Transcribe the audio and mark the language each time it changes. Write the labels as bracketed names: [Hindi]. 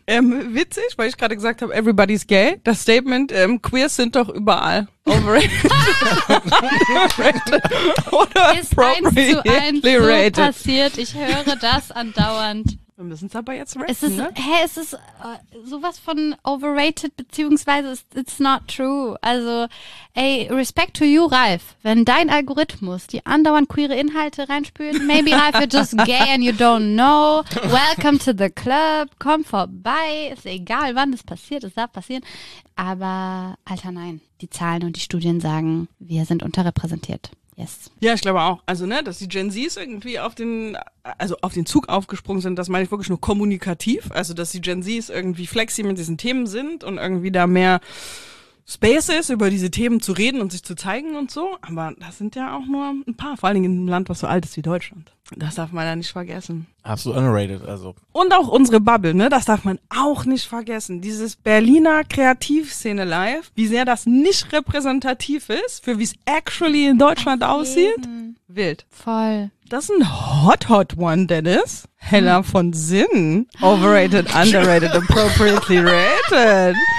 [German] Witzig, weil ich gerade gesagt habe, [English] everybody's gay. [German] Das Statement, queers sind doch überall. [English] Overrated. Appropriately rated. [German] Ist eins zu eins so passiert. Ich höre das andauernd. Wir müssen es aber jetzt retten, ne? Hä, es ist sowas von overrated, beziehungsweise [English] it's not true. Also, ey, respect to you, Ralf. [German] Wenn dein Algorithmus die andauernd queere Inhalte reinspült, [English] maybe Ralf, you're just gay and you don't know. Welcome to the club. [German] Komm vorbei. Ist egal, wann das passiert, es darf passieren. Aber, Alter, nein. Die Zahlen und die Studien sagen, wir sind unterrepräsentiert. [English] Yes. [German] Ja, ich glaube auch. Also, ne, dass die Gen Zs irgendwie auf den Zug aufgesprungen sind, das meine ich wirklich nur kommunikativ. Also, dass die Gen Zs irgendwie flexi mit diesen Themen sind und irgendwie da mehr Space ist, über diese Themen zu reden und sich zu zeigen und so. Aber das sind ja auch nur ein paar, vor allen Dingen in einem Land, was so alt ist wie Deutschland. Das darf man ja nicht vergessen. Absolut underrated, also. Und auch unsere Bubble, ne? Das darf man auch nicht vergessen. Dieses Berliner Kreativszene Live, wie sehr das nicht repräsentativ ist, für wie es actually in Deutschland aussieht. Wild. Voll. Das ist ein [English] hot, hot one, [German] Dennis. Hella von Sinn. [English] Overrated, underrated, appropriately rated.